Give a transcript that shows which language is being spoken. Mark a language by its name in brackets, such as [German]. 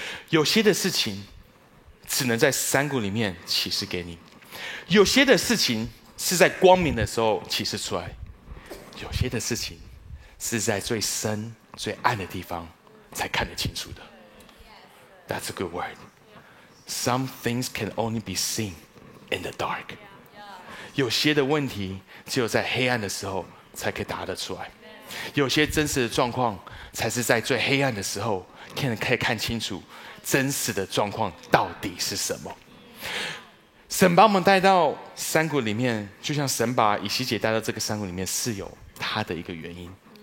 [Chinese] 有些的事情只能在山谷里面启示给你，有些的事情是在光明的时候启示出来，有些的事情是在最深最暗的地方才看得清楚的。 [English] That's a good word. Some things can only be seen in the dark. [Chinese] 有些的问题只有在黑暗的时候才可以答得出来，有些真实的状况才是在最黑暗的时候可以看清楚真实的状况到底是什么。神把我们带到山谷里面，就像神把以西结带到这个山谷里面是有他的一个原因。